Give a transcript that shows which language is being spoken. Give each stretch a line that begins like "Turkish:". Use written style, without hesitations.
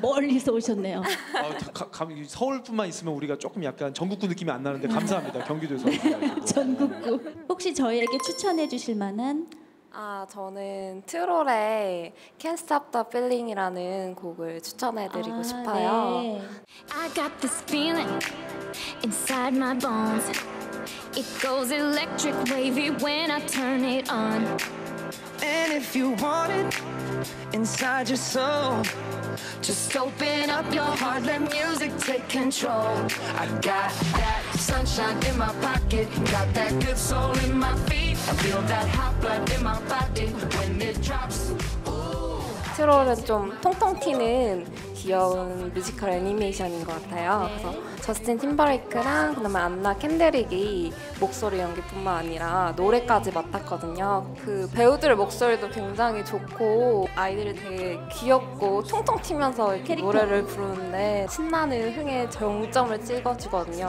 Korean: 멀리서 오셨네요. 서울뿐만 있으면 우리가 조금 약간 전국구 느낌이 안 나는데 감사합니다. 경기도에서 네, 전국구 혹시 저희에게 추천해 주실 만한 저는 트롤의 Can't Stop the Feeling이라는 곡을 추천해드리고 싶어요. 네.
English: I got this feeling inside my bones. It goes electric wavy when I turn it on. And if you want it inside your soul, just open up your heart, let music take control. I got that sunshine in my pocket, got that good soul in my feet. I feel that hot blood in my body when it drops.
Korean: 트롤은 좀 통통 튀는 귀여운 뮤지컬 애니메이션인 것 같아요. 그래서 저스틴 팀버레이크랑 그다음에 안나 켄드릭이 목소리 연기뿐만 아니라 노래까지 맡았거든요. 그 배우들의 목소리도 굉장히 좋고 아이들이 되게 귀엽고 통통 튀면서 노래를 부르는데 신나는 흥의 정점을 찍어주거든요.